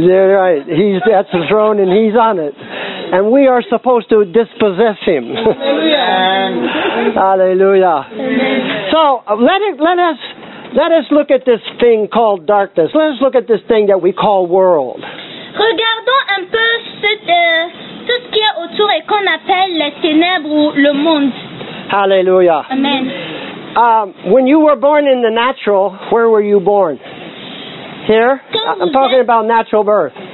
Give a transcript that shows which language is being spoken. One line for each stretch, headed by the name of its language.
English: Yeah, right. He's at the throne and he's on it. And we are supposed to dispossess him. Hallelujah. Hallelujah. Amen. So let us look at this thing called darkness. Let us look at this thing that we call world.
French: Regardons un peu tout ce qui est autour et qu'on appelle les ténèbres ou le monde.
English: Hallelujah. Amen. When you were born in the natural, where were you born? Here? I'm talking about natural birth.